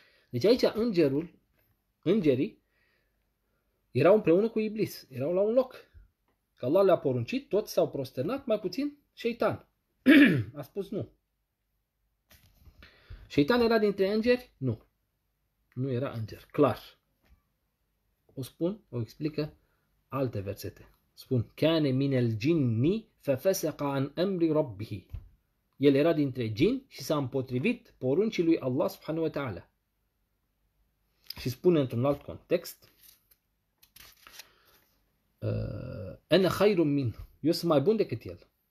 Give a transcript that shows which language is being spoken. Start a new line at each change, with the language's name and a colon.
Romanian: Deci aici îngerii, erau împreună cu Iblis, erau la un loc. Că Allah le-a poruncit, toți s-au prosternat, mai puțin șeitan. A spus nu. Șeitan era dintre îngeri? Nu. Nu era înger, clar. O spun, o explică alte versete.
Arabic: Spun, كَانَ مِنَ الْجِنِّ فَفَسَقَ عَنْ أَمْرِ رَبِّهِ.
Romanian: El era dintre gin și s-a împotrivit poruncii lui Allah subhanahu wa ta'ala. Și spune într-un alt context,
Arabic: ana khairun min,
Romanian: eu sunt mai bun decât el.